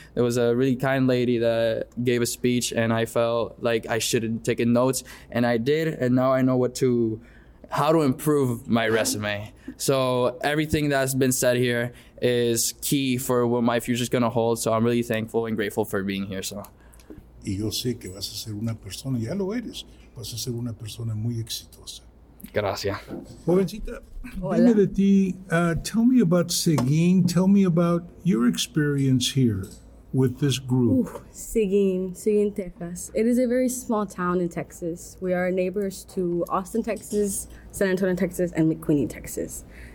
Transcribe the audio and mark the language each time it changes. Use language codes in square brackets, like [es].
[en] There was a really kind lady that gave a speech, and I felt like I should have taken notes, and I did. And now I know how to improve my resume. So everything that's been said here is key for what my future is going to hold. So I'm really thankful and grateful for being here. So. [es] Y yo sé que vas a ser una persona, ya lo eres, vas a ser una persona muy exitosa. Gracias. Jovencita, dime de ti, [en] tell me about Seguin. Tell me about your experience here with this group. Seguin, Texas. It is a very small town in Texas. We are neighbors to Austin, Texas, San Antonio, Texas, and McQueenie, Texas.